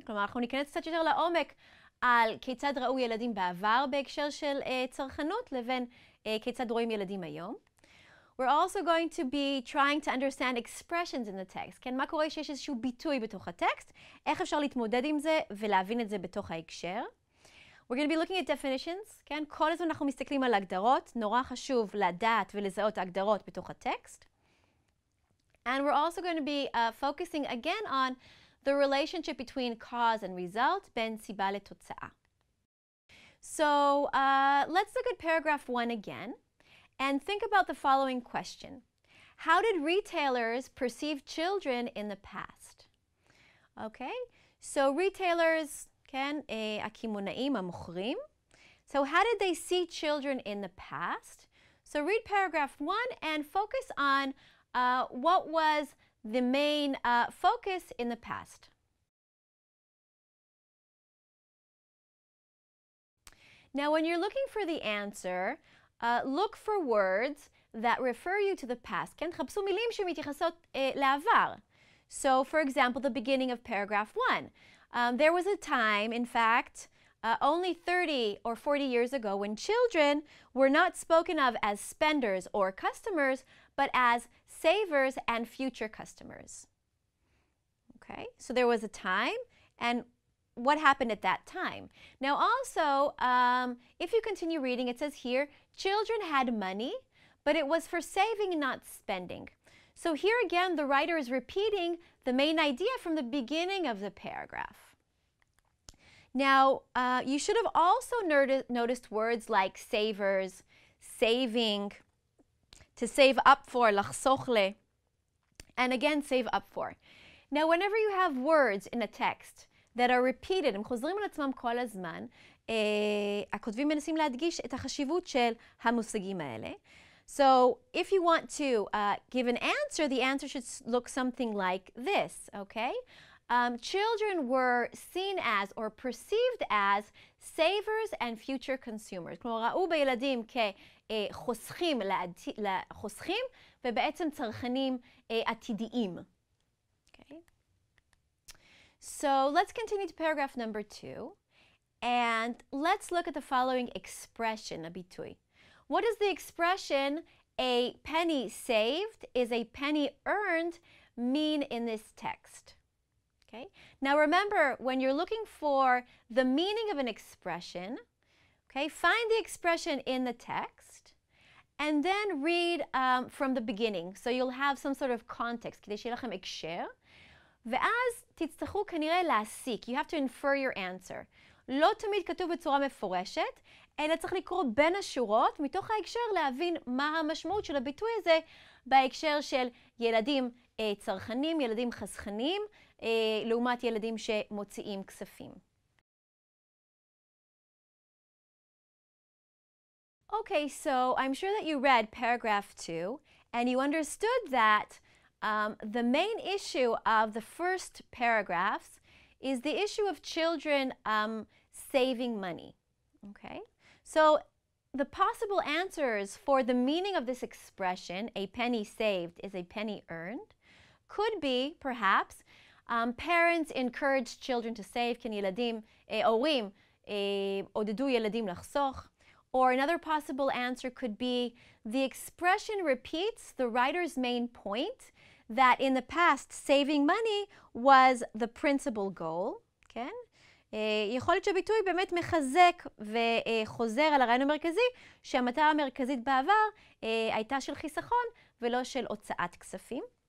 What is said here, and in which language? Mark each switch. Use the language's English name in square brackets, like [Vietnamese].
[Hebrew] כלומר, אנחנו ניכנס קצת יותר לעומק על כיצד ראו ילדים בעבר בהקשר של צרכנות לבין כיצד רואים ילדים היום. [English] We're also going to be trying to understand expressions in the text. [Hebrew] כן, מה קורה שיש איזשהו ביטוי בתוך הטקסט? איך אפשר להתמודד עם זה ולהבין את זה בתוך ההקשר? [English] We're going to be looking at definitions. [Hebrew] כן, כל הזמן אנחנו מסתכלים על הגדרות. נורא חשוב לדעת ולזהות הגדרות בתוך הטקסט. [English] And we're also going to be focusing again on the relationship between cause and result, [Hebrew] בין סיבה לתוצאה. [English] So, let's look at paragraph one again, and think about the following question. How did retailers perceive children in the past? Okay, so retailers, [Hebrew] כן, הקמעונאים, המוכרים. [English] So how did they see children in the past? So read paragraph one and focus on what was the main focus in the past? Now, when you're looking for the answer, look for words that refer you to the past. [Hebrew] כן, חפשו מילים שמתייחסות לעבר. [English] So, for example, the beginning of paragraph one. There was a time, in fact, only 30 or 40 years ago when children were not spoken of as spenders or customers, but as savers and future customers. Okay, so there was a time, and what happened at that time? Now also, if you continue reading, it says here, children had money, but it was for saving, not spending. So here again, the writer is repeating the main idea from the beginning of the paragraph. Now, you should have also noticed words like savers, saving, to save up for, [Hebrew] לחסוך ל, [English] and again, save up for. Now, whenever you have words in a text that are repeated, [Hebrew] הם חוזרים על עצמם כל הזמן, הכותבים מנסים להדגיש את החשיבות של המושגים האלה. [English] So, if you want to give an answer, the answer should look something like this, okay? Children were seen as, or perceived as, savers and future consumers. [Hebrew] כלומר, ראו בילדים כחוסכים, לחוסכים, ובעצם צרכנים עתידיים. [English] Okay. So, let's continue to paragraph number two, and let's look at the following expression, [Hebrew] הביטוי. [English] What is the expression, a penny saved is a penny earned, mean in this text? Okay. Now remember, when you're looking for the meaning of an expression, okay, find the expression in the text, and then read from the beginning, so you'll have some sort of context, [Hebrew] כדי שיהיה לכם הקשר, ואז תצטרכו כנראה להסיק, [English] you have to infer your answer. [Hebrew] לא תמיד כתוב בצורה מפורשת, אלא צריך לקרוא בין השורות, מתוך ההקשר להבין מה המשמעות של הביטוי הזה, בהקשר של ילדים צרכנים, ילדים חסכנים, לעומת ילדים שמוציאים כספים. [English] Okay, so I'm sure that you read paragraph two, and you understood that the main issue of the first paragraphs is the issue of children saving money. Okay, so the possible answers for the meaning of this expression, a penny saved is a penny earned, could be, perhaps, parents encouraged children to save, [Hebrew] כן, ילדים, הורים, עודדו ילדים לחסוך. [English] Or another possible answer could be, the expression repeats the writer's main point, that in the past, saving money was the principal goal, כן? [Hebrew] יכול להיות שהביטוי באמת מחזק וחוזר על הרעיון המרכזי, שהמטרה המרכזית בעבר הייתה של חיסכון ולא של הוצאת כספים.